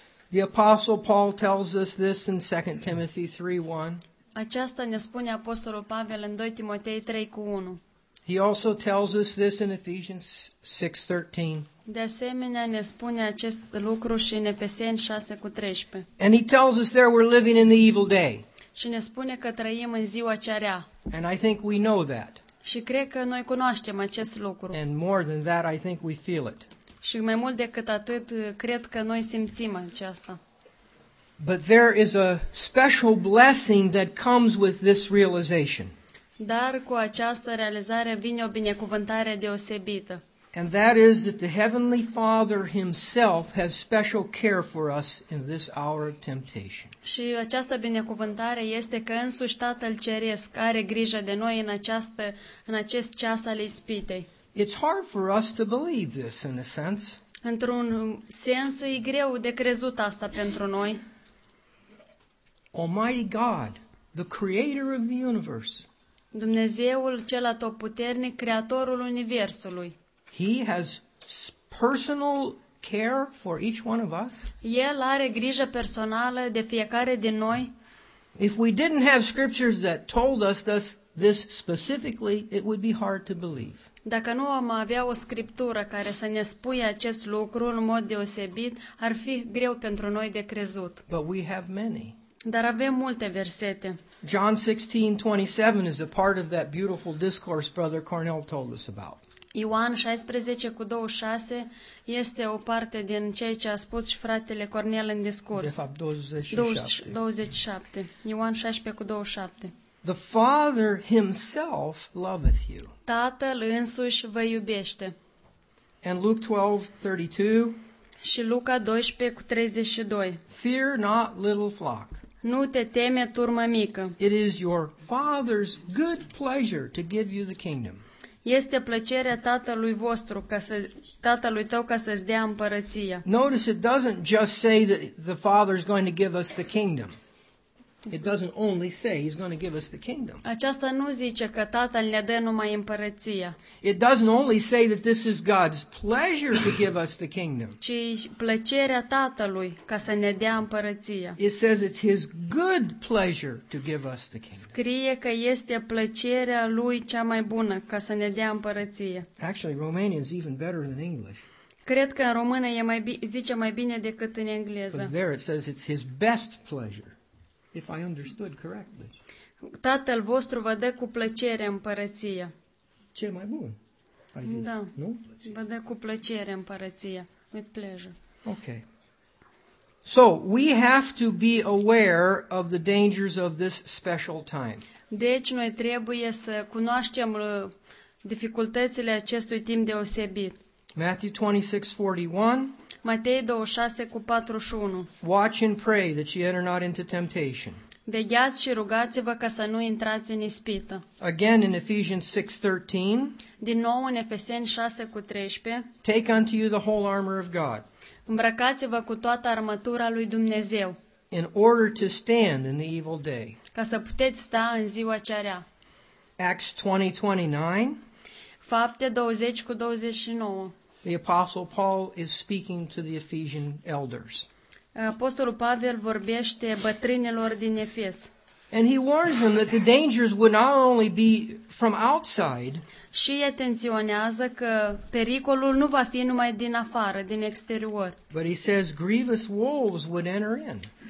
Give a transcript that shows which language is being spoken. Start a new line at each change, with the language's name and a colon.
English: The Apostle Paul tells us this in 2 Timothy 3:1.
Romanian: Aceasta ne spune Apostolul Pavel în 2 Timotei 3:1.
English: He also tells us this in Ephesians 6:13.
Romanian: De asemenea, ne spune acest lucru și în Efeseni 6:13.
English: And he tells us there we're living in the evil day.
Romanian: Și ne spune că trăim în ziua cea rea.
English: And I think we know that.
Romanian: Și cred că noi cunoaștem acest lucru.
English: And more than that, I think we feel it.
Romanian: Și mai mult decât atât, cred că noi simțim aceasta.
English: But there is a special blessing that comes with this realization.
Romanian: Dar cu această realizare vine o binecuvântare deosebită.
English: And that is that the Heavenly Father Himself has special care for us in this hour of temptation.
Romanian: Și această binecuvântare este că însuși Tatăl Ceresc are grijă de noi în acest ceas al ispitei.
English: It's hard for us to believe this in a sense.
Romanian: Într-un sens e greu de crezut asta pentru noi.
English: Almighty God, the creator of the universe.
Romanian: Dumnezeul cel atotputernic, creatorul universului.
English: He has personal care for each one of us.
Romanian: El are grijă personală de fiecare din noi.
English: If we didn't have scriptures that told us this specifically, it would be hard to believe.
Romanian: Dacă nu am avea o scriptură care să ne spună acest lucru în mod deosebit, ar fi greu pentru noi de crezut.
English: But we have many.
Romanian: Dar avem multe versete.
English: John 16:27 is a part of that beautiful discourse Brother Cornell told us about.
Romanian: Ioan 16:26 este o parte din ceea ce a spus și fratele Cornel în discurs. De fapt, 27. Ioan 16:27.
English: The Father himself loveth you.
Romanian: Tatăl însuși vă iubește.
English: And Luke 12:32.
Romanian: Și Luca 12:32.
English: Fear not, little flock.
Romanian: Nu te teme, turmă mică.
English: It is your Father's good pleasure to give you the kingdom.
Romanian: Este plăcerea Tatălui vostru ca să Tatălui tău ca să-ți dea împărăția.
English: Notice it doesn't just say that the Father is going to give us the kingdom. It doesn't only say he's going to give us the kingdom.
Romanian: Aceasta nu zice că Tatăl ne dă numai împărăția.
English: It doesn't only say that this is God's pleasure to give us the kingdom.
Romanian: Ci plăcerea Tatălui ca să ne dea împărăția.
English: It says it's his good pleasure to give us the kingdom.
Romanian: Scrie că este plăcerea lui cea mai bună ca să ne dea împărăția.
English: Actually, Romanian is even better than English.
Romanian: Cred că în română e mai zice mai bine decât în engleză.
English: Because there it says it's his best pleasure. If I understood correctly.
Romanian: Tatăl vostru vă dă cu plăcere împărăția. Cel mai bun. Ai zis, da. Nu? Vă dă cu plăcere împărăția.
English: With pleasure. Okay. So, we have to be aware of the dangers of this special time.
Romanian: Deci noi trebuie să cunoaștem dificultățile acestui timp deosebit.
English: Matthew 26:41.
Romanian: Matei 26:41.
English: Watch and pray that you enter not into temptation.
Romanian: Vegheați și rugați-vă ca să nu intrați în ispită.
English: Again in Ephesians 6:13.
Romanian: Din nou în Efeseni 6:13.
English: Take unto you the whole armor of God.
Romanian: Îmbrăcați-vă cu toată armătura lui Dumnezeu.
English: In order to stand in the evil day.
Romanian: Ca să puteți sta în ziua cea rea.
English: Acts 20:29.
Romanian: Fapte 20:29.
English: The Apostle Paul is speaking to the Ephesian elders.
Romanian: Apostolul Pavel vorbește bătrânilor din Efes.
English: And he warns them that the dangers would not only be from outside.
Romanian: Și atenționează că pericolul nu va fi numai din afară, din exterior.
English: But he says grievous wolves would enter in.